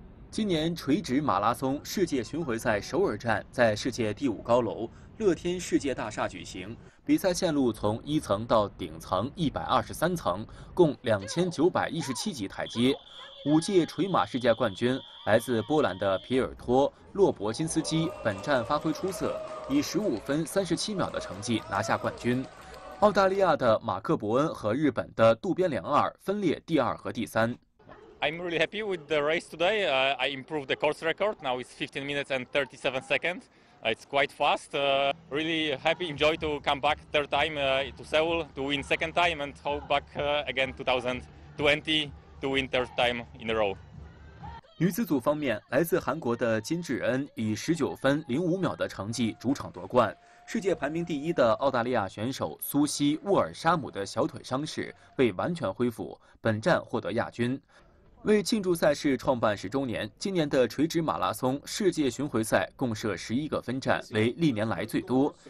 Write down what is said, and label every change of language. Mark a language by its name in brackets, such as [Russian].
[Chinese] 今年垂直马拉松世界巡回赛首尔站在世界第五高楼乐天世界大厦举行，比赛线路从一层到顶层123层，共2917级台阶。 5届垂马世界冠军来自波兰的皮尔托·洛伯金斯基本站发挥出色，以15分37秒的成绩拿下冠军。澳大利亚的马克·伯恩和日本的渡边良二分列第二和第三。 [English] I'm really happy with the race today. I improved the course record. Now it's 15 minutes and 37 seconds. It's quite fast. Really happy, enjoy to come back third time to Seoul to win second time and hope back again 2020 to win third time in a row. [Chinese] 女子组方面，来自韩国的金智恩以19分05秒的成绩主场夺冠。世界排名第一的澳大利亚选手苏西·沃尔沙姆的小腿伤势未完全恢复，本站获得亚军。为庆祝赛事创办10周年，今年的垂直马拉松世界巡回赛共设11个分站，为历年来最多。